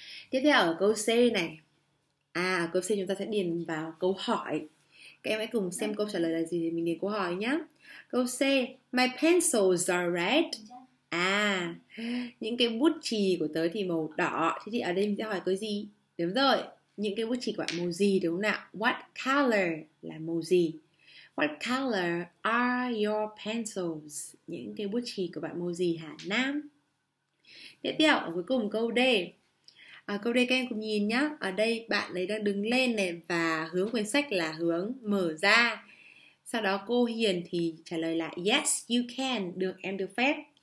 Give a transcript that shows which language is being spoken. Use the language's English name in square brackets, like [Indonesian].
[Vietnamese] Tiếp theo ở câu C này. À, ở câu C chúng ta sẽ điền vào câu hỏi. Các em hãy cùng xem câu trả lời là gì thì mình điền câu hỏi nhé. Câu C, [English] my pencils are red. [Vietnamese] À, những cái bút chì của tớ thì màu đỏ. Thế thì ở đây mình sẽ hỏi cái gì? Đúng rồi, những cái bút chì của bạn màu gì, đúng không nào? What color là màu gì? [English] What color are your pencils? [Vietnamese] Những cái bút chì của bạn màu gì hả Nam? Tiếp theo, ở cuối cùng câu D. À, câu D các em cùng nhìn nhá. Ở đây bạn ấy đang đứng lên này và hướng quyển sách là hướng mở ra. Sau đó cô Hiền thì trả lời là [English] yes, you can, [Vietnamese] được, em được phép.